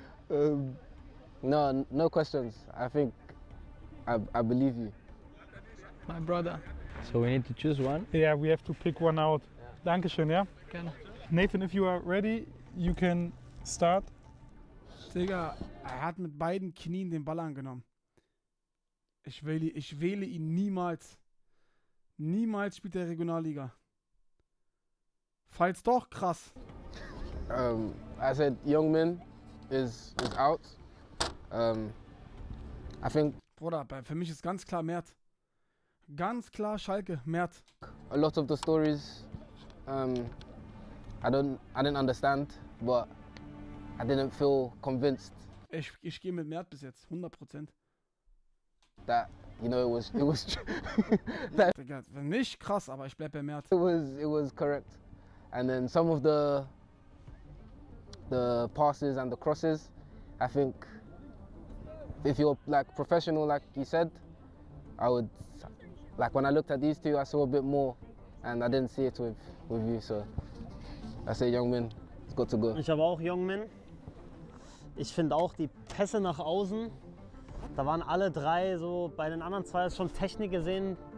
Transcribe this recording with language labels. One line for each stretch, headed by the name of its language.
English: No questions. I think I believe you. My brother. So we need to choose one. Yeah, we have to pick one out.
German: Danke schön, ja? Gerne.
English: Nathan, if you are ready, you can start.
German: Digga, er hat mit beiden Knien den Ball angenommen. Ich wähle ihn niemals. Niemals spielt er Regionalliga. Falls doch, krass.
English: I said, young man is out. I think.
German: Bruder, für mich ist ganz klar Mert. Ganz klar Schalke, Mert.
English: A lot of the stories. I didn't understand, but I didn't feel convinced.
German: Ich gehe mit Mert bis jetzt, 100%.
English: That, you know, it was
German: that, nicht krass, aber ich bleib bei Mert.
English: It was correct. And then some of the passes and the crosses, I think if you're like professional like you said, I would like when I looked at these two I saw a bit more. And I didn't see it with you, so I say young man, it's got to go.
German: Ich habe auch young man. Ich finde auch die Pässe nach außen, da waren alle drei so, bei den anderen zwei ist schon Technik gesehen.